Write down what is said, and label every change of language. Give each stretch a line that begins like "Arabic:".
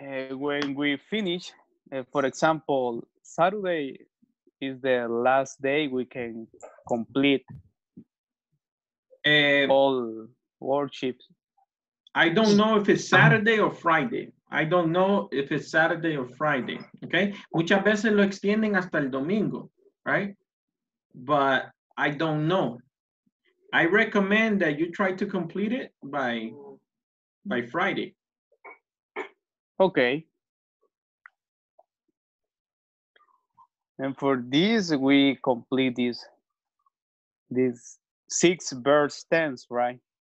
English: When we finish, for example, Saturday is the last day we can complete all worksheets. I don't know if it's Saturday or Friday. I don't know if it's Saturday or Friday. Okay.
Spanish: Muchas veces lo extienden hasta el domingo, right?
English: But I don't know. I recommend that you try to complete it by Friday. Okay. And for this, we complete these 6 verb tense, right?